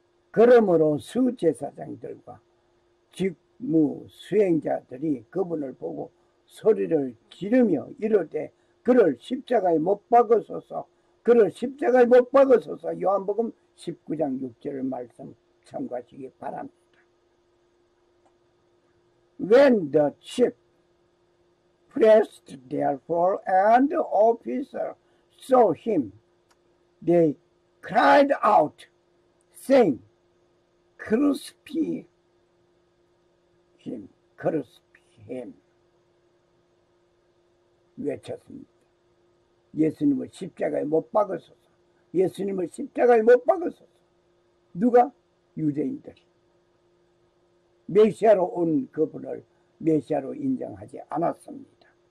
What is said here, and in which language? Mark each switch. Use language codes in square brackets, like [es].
[ko] 그러므로 수제사장들과 직무 수행자들이 그분을 보고 소리를 지르며 이르되 그를 십자가에 못 박으소서, 그를 십자가에 못 박으소서. 요한복음 19장 6절 말씀 참고하시기 바랍니다. [en] When the chief priest therefore and the officer saw him, they cried out, saying, Crucify him, crucify him. [ko] 외쳤습니다. 예수님을 십자가에 못 박으소서. 예수님을 십자가에 못 박으소서. 누가? 유대인들이. 메시아로 온 그분을 메시아로 인정하지 않았습니다.